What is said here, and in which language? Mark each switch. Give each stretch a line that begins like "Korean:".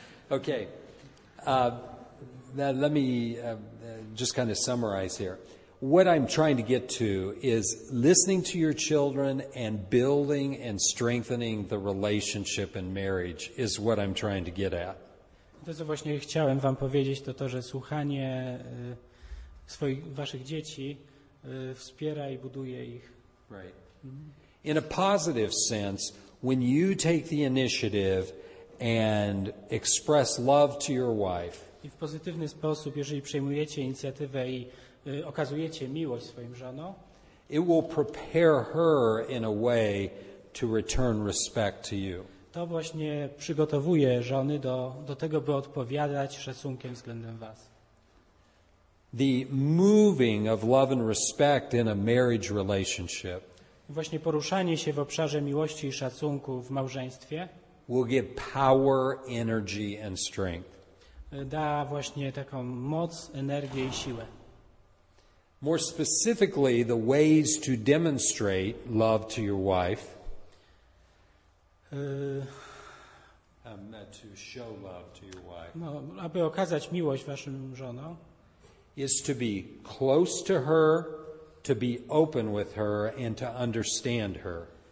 English: Okay. Now let me just kind of summarize here. What I'm trying to get to is listening to your children and building and strengthening the relationship in marriage is what I'm trying to get at.
Polish: To, co właśnie chciałem wam powiedzieć, to to, że słuchanie waszych dzieci wspiera i buduje ich.
English: Right. In a positive sense, when you take the initiative and express love to your wife,
Polish: i w pozytywny sposób, jeżeli przejmujecie inicjatywę i okazujecie miłość swoim żonom,
English: it will prepare her in a way to return respect to you.
Polish: To właśnie przygotowuje żony do tego, by odpowiadać szacunkiem względem was.
English: The moving of love and respect in a marriage relationship.
Polish: Właśnie poruszanie się w obszarze miłości i szacunku w małżeństwie
English: will give power, energy and strength.
Polish: Da właśnie taką moc, energię i siłę.
English: More specifically, the ways to demonstrate love to your wife. To show love to your wife.
Polish: No, aby okazać miłość waszym żonom.
English: Is to be close to her, to be open with her, and to understand her.